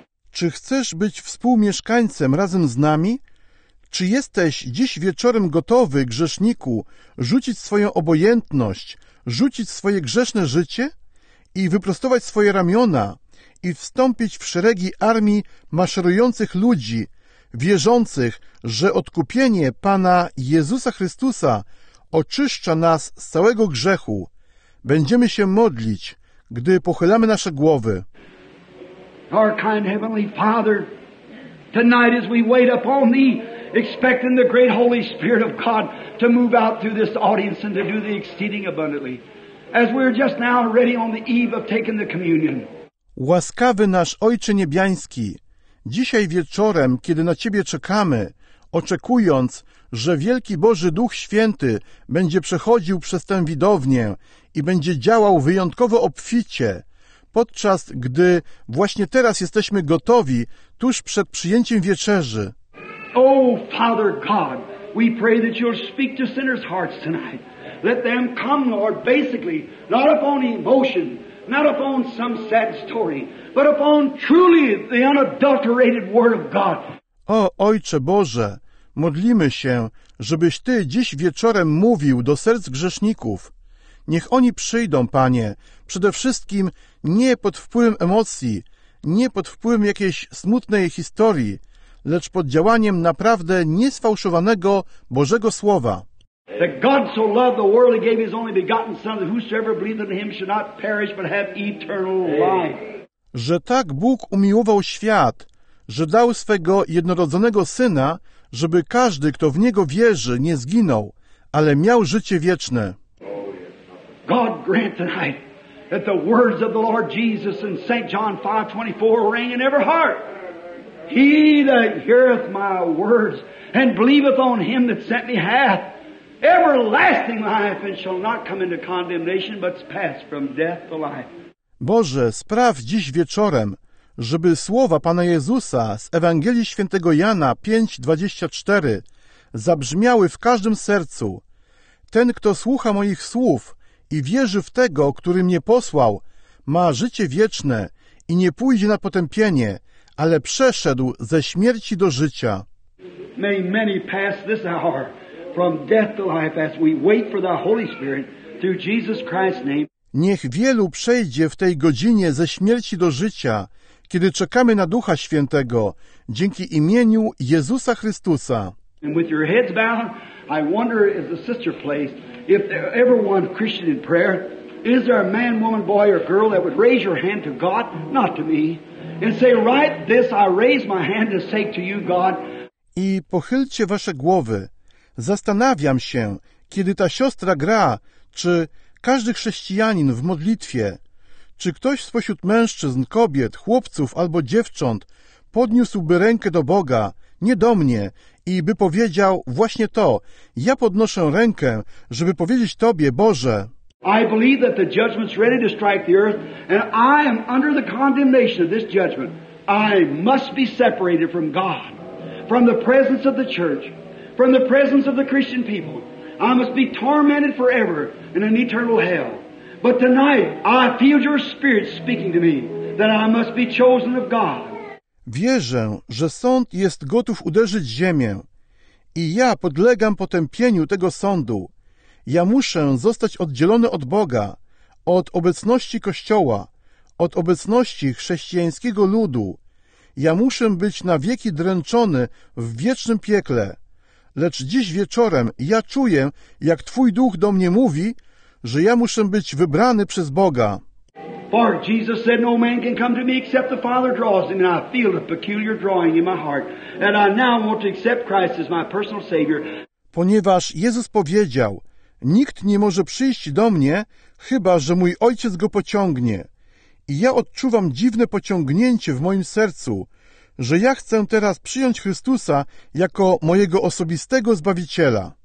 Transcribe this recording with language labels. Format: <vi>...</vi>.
<pl>Czy chcesz być współmieszkańcem razem z nami? Czy jesteś dziś wieczorem gotowy, grzeszniku, rzucić swoją obojętność, rzucić swoje grzeszne życie i wyprostować swoje ramiona i wstąpić w szeregi armii maszerujących ludzi, wierzących, że odkupienie Pana Jezusa Chrystusa oczyszcza nas z całego grzechu? Będziemy się modlić, gdy pochylamy nasze głowy.</pl> <en>Our kind Heavenly Father, tonight as we wait upon Thee, expecting the great Holy Spirit of God to move out through this audience and to do the exceeding abundantly, as we're just now ready on the eve of taking the communion.</en> <pl>Łaskawy nasz Ojcze Niebiański, dzisiaj wieczorem, kiedy na Ciebie czekamy, oczekując, że wielki Boży Duch Święty będzie przechodził przez tę widownię i będzie działał wyjątkowo obficie, podczas gdy właśnie teraz jesteśmy gotowi, tuż przed przyjęciem wieczerzy.</pl> <en>Oh, Father God, we pray that You'll speak to sinners' hearts tonight. Let them come, Lord, basically, not upon emotion, not upon some sad story, but upon truly the unadulterated Word of God.</en> <pl>O Ojcze Boże, modlimy się, żebyś Ty dziś wieczorem mówił do serc grzeszników. Niech oni przyjdą, Panie, przede wszystkim nie pod wpływem emocji, nie pod wpływem jakiejś smutnej historii, lecz pod działaniem naprawdę niesfałszowanego Bożego Słowa.</pl> <en>That God so loved the world, He gave His only begotten Son, that whosoever believeth in Him should not perish, but have eternal life.</en> <pl>Że tak Bóg umiłował świat, że dał swego jednorodzonego Syna, żeby każdy, kto w Niego wierzy, nie zginął, ale miał życie wieczne.</pl> <en>God grant tonight that the words of the Lord Jesus in St. John 5:24 ring in every heart. He that heareth my words and believeth on Him that sent me hath everlasting life and shall not come into condemnation, but pass from death to life.</en> <pl>Boże, spraw dziś wieczorem, żeby słowa Pana Jezusa z Ewangelii Świętego Jana 5:24 zabrzmiały w każdym sercu. Ten, kto słucha moich słów i wierzy w Tego, który mnie posłał, ma życie wieczne i nie pójdzie na potępienie, ale przeszedł ze śmierci do życia.</pl> <en>May many pass this hour from death to life as we wait for the Holy Spirit through Jesus Christ's name.</en> <pl>Niech wielu przejdzie w tej godzinie ze śmierci do życia, kiedy czekamy na Ducha Świętego, dzięki imieniu Jezusa Chrystusa.</pl> <en>And with your heads bowed, I wonder, as the sister plays, if there ever one Christian in prayer, is there a man, woman, boy, or girl that would raise your hand to God, not to me, and say, right this, I raise my hand to say to you, God.</en> <pl>I pochylcie wasze głowy. Zastanawiam się, kiedy ta siostra gra, czy każdy chrześcijanin w modlitwie, czy ktoś spośród mężczyzn, kobiet, chłopców albo dziewcząt podniósłby rękę do Boga, nie do mnie, i by powiedział właśnie to: ja podnoszę rękę, żeby powiedzieć Tobie, Boże.</pl> <en>I believe that the judgment's ready to strike the earth, and I am under the condemnation of this judgment. I must be separated from God. from the presence of the church, from the presence of the Christian people. I must be tormented forever in an eternal hell. But tonight I feel your spirit speaking to me that I must be chosen of God.</en> <pl>Wierzę, że sąd jest gotów uderzyć ziemię i ja podlegam potępieniu tego sądu. Ja muszę zostać oddzielony od Boga, od obecności Kościoła, od obecności chrześcijańskiego ludu. Ja muszę być na wieki dręczony w wiecznym piekle. Lecz dziś wieczorem ja czuję, jak Twój Duch do mnie mówi, że ja muszę być wybrany przez Boga.</pl> <en>For Jesus said, no man can come to me except the Father draws him, and I feel a peculiar drawing in my heart, and I now want to accept Christ as my personal Savior.</en> <pl>Ponieważ Jezus powiedział, nikt nie może przyjść do mnie, chyba że mój Ojciec go pociągnie. I ja odczuwam dziwne pociągnięcie w moim sercu, że ja chcę teraz przyjąć Chrystusa jako mojego osobistego Zbawiciela.</pl>